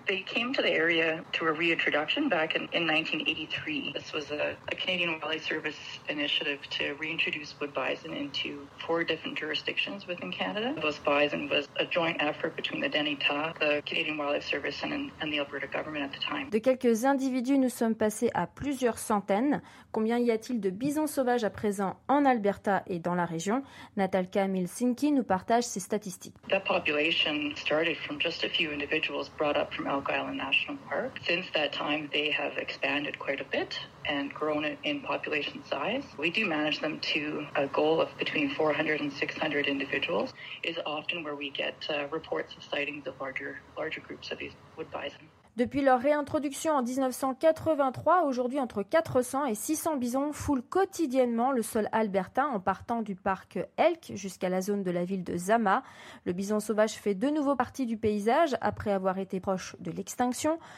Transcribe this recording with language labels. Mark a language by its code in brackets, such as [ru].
[en] They came to the area through a reintroduction back in 1983. This was a Canadian Wildlife Service initiative to reintroduce wood bison into four different jurisdictions within Canada. This bison was a joint effort between the DENITA, the Canadian Wildlife Service, and the Alberta government at the time. [fr] De quelques individus, nous sommes passés à plusieurs centaines. Combien y a-t-il de bisons sauvages à présent en Alberta et dans la région? Natalka Melniki Helsinki nous partage ces statistiques. [en] That population started from just a few individuals brought up from Elk Island National Park. Since that time, they have expanded quite a bit and grown in population size. We do manage them to a goal of between 400 and 600 individuals is often where we get reports of sightings of larger groups of these wood bison. [fr] Depuis leur réintroduction en 1983, aujourd'hui entre 400 et 600 bisons foulent quotidiennement le sol albertain en partant du parc Elk jusqu'à la zone de la ville de Zama. Le bison sauvage fait de nouveau partie du paysage après avoir été proche de l'extinction.